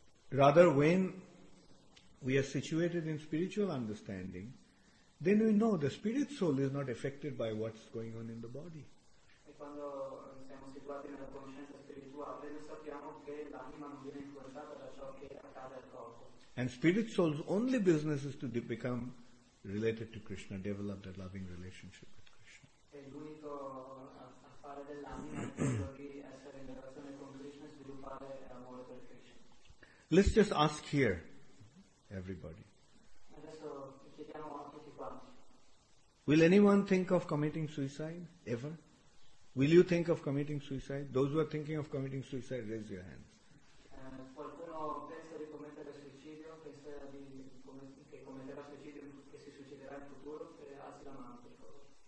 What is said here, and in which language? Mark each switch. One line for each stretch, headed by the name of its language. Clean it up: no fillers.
English: Rather, when we are situated in spiritual understanding, then we know the spirit soul is not affected by what's going on in the body.
Italian: E quando siamo situati nella conoscenza spirituale, noi sappiamo che l'anima non viene influenzata da ciò che accade al corpo.
English: And spirit soul's only business is to become related to Krishna, develop that loving relationship with Krishna.
Italian: E l'unico affare dell'anima è quello di essere in relazione con Krishna e sviluppare amore per Krishna.
English: Let's just ask here, everybody.
Italian: Adesso chiediamo a tutti quanti.
English: Will anyone think of committing suicide, ever? Will you think of committing suicide? Those who are thinking of committing suicide, raise your hands.
Italian: Qualcuno pensa di commettere suicidio, pensa di che commetterà suicidio, che si suiciderà in futuro, e alzi la mano, per favore.